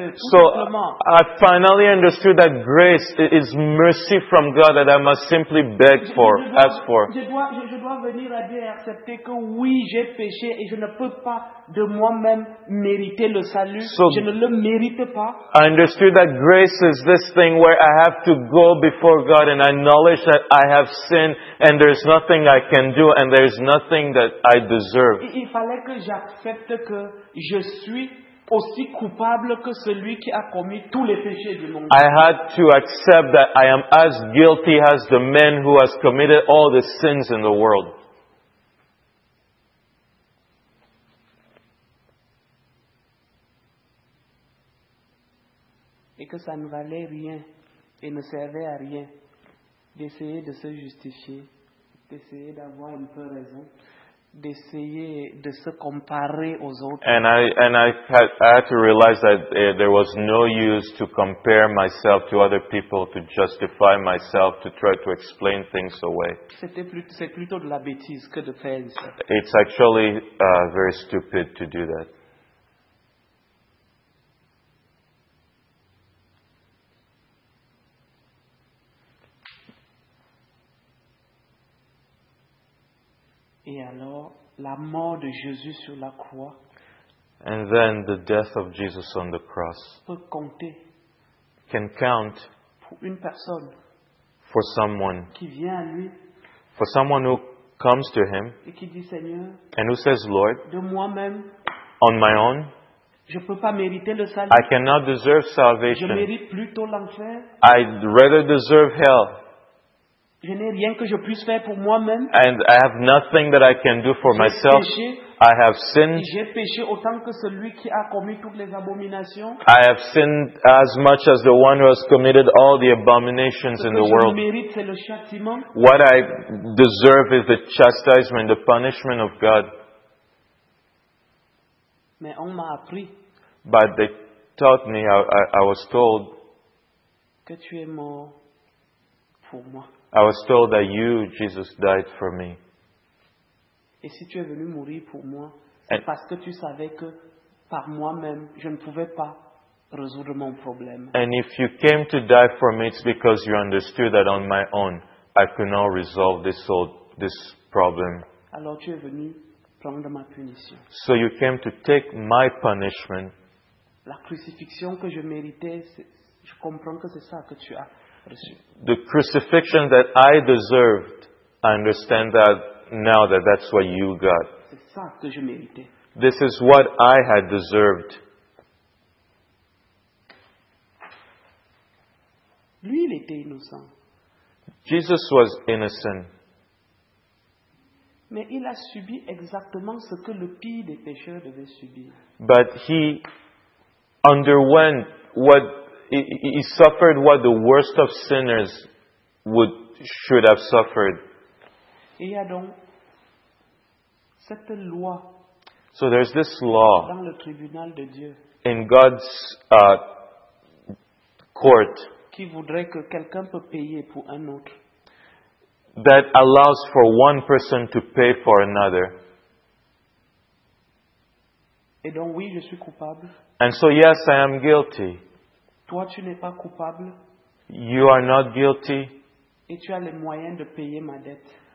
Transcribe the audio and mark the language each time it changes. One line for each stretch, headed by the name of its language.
English: So I finally understood that grace is mercy from God that I must simply beg for, ask for.
French: Je dois venir à dire, accepter que oui, j'ai péché et je ne peux pas de moi-même mériter le salut, so, je ne le mérite pas.
English: I understood that grace is this thing where I have to go before God and acknowledge that I have sinned and there's nothing I can do and there's nothing that I deserve.
French: Il fallait que j'accepte que je suis aussi coupable que celui qui a commis tous les péchés du monde.
English: I had to accept that I am as guilty as the man who has committed all the sins in the world.
French: Et que ça ne valait rien et ne servait à rien d'essayer de se justifier, d'essayer d'avoir un peu raison, d'essayer de se comparer aux autres.
English: And I had to realize that there was no use to compare myself to other people, to justify myself, to try to explain things away.
French: C'est plutôt de la bêtise que de faire ça.
English: It's actually very stupid to do that.
French: Et alors, la mort de Jésus sur la croix.
English: And then the death of Jesus on the cross.
French: Peut compter.
English: Can count.
French: Pour une personne.
English: For someone.
French: Qui vient à lui.
English: For someone who comes to him.
French: Et qui dit Seigneur.
English: And who says Lord.
French: De moi-même.
English: On my own.
French: Je peux pas mériter le salut.
English: I cannot deserve salvation.
French: Je mérite plutôt l'enfer.
English: I'd rather deserve hell.
French: Je n'ai rien que je puisse faire pour moi-même.
English: And I have nothing that I can do for myself.
French: J'ai péché.
English: I have sinned.
French: J'ai péché autant que celui qui a commis toutes les abominations.
English: I have sinned as much as the one who has committed all the abominations in the world.
French: Ce que je mérite, c'est le châtiment.
English: What I deserve is the chastisement, the punishment of God.
French: Mais on m'a appris.
English: But they taught me, I was told.
French: Que tu es mort pour moi.
English: I was told that you, Jesus, died for me.
French: Et si tu es venu mourir pour moi, c'est parce que tu savais que par moi-même, je ne pouvais pas résoudre mon problème.
English: And if you came to die for me, it's because you understood that on my own, I could not resolve this problem.
French: Alors tu es venu prendre ma punition.
English: So you came to take my punishment.
French: La crucifixion que je méritais, je comprends que c'est ça que tu as.
English: The crucifixion that I deserved, I understand that now that that's what you got.
French: C'est ça que je méritais.
English: This is what I had deserved.
French: Lui, il était innocent.
English: Jesus was innocent.
French: Mais il a subi exactement ce que le pire des pécheurs devait subir.
English: But he underwent what he suffered what the worst of sinners should have suffered.
French: Il y a donc cette loi.
English: So there's this law
French: dans le tribunal de Dieu
English: in God's court
French: qui voudrait que quelqu'un peut payer pour un autre.
English: That allows for one person to pay for another.
French: Et donc, oui, je suis coupable.
English: And so, yes, I am guilty.
French: Toi, tu n'es pas coupable.
English: You are not guilty.
French: Et tu as les moyens de payer ma dette.